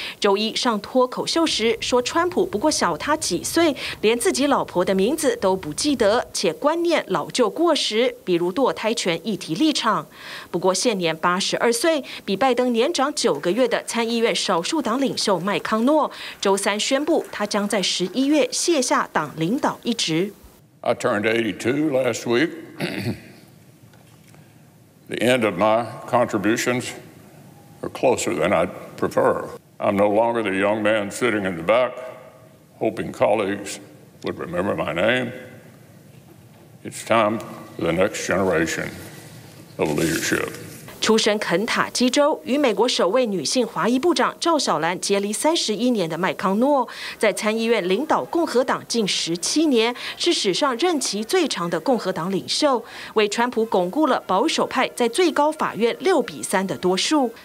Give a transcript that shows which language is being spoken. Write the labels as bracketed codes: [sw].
[zh] 周一上脱口秀时说，川普不过小他几岁，连自己老婆的名字都不记得，且观念老旧过时，比如堕胎权议题立场。不过现年82岁，比拜登年长9个月的参议院少数党领袖麦康诺，周三宣布他将在11月卸下党领导一职。 [en] I turned 82 last week. The end of my contributions are closer than I'd prefer. I'm no longer the young man sitting in the back, hoping colleagues would remember my name. It's time for the next generation of leadership. [zh] 出身肯塔基州，与美国首位女性华裔部长赵小兰结离31年的麦康诺，在参议院领导共和党近17年，是史上任期最长的共和党领袖，为川普巩固了保守派在最高法院6-3的多数。